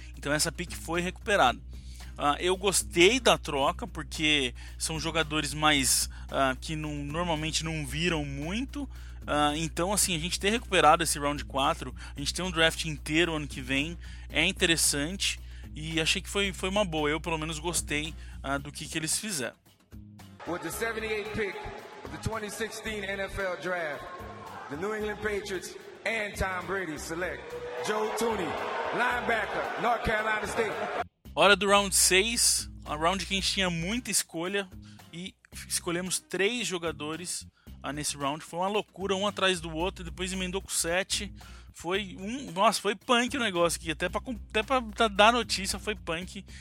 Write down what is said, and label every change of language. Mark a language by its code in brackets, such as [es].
[pt] Então essa pick foi recuperada. Eu gostei da troca, porque são jogadores mais que normalmente não viram muito. Então assim, a gente ter recuperado esse round 4, a gente tem um draft inteiro ano que vem, é interessante, e achei que foi uma boa. Eu pelo menos gostei do que eles fizeram. [en] With the 78th pick of the 2016 NFL Draft, the New England Patriots and Tom Brady select Joe Tooney, linebacker, North Carolina State. [pt] Hora do round 6, a round que a gente tinha muita escolha, e escolhemos 3 jogadores nesse round. Foi uma loucura, um atrás do outro, e depois emendou com 7. Nossa, foi punk o negócio aqui, até pra dar notícia foi punk.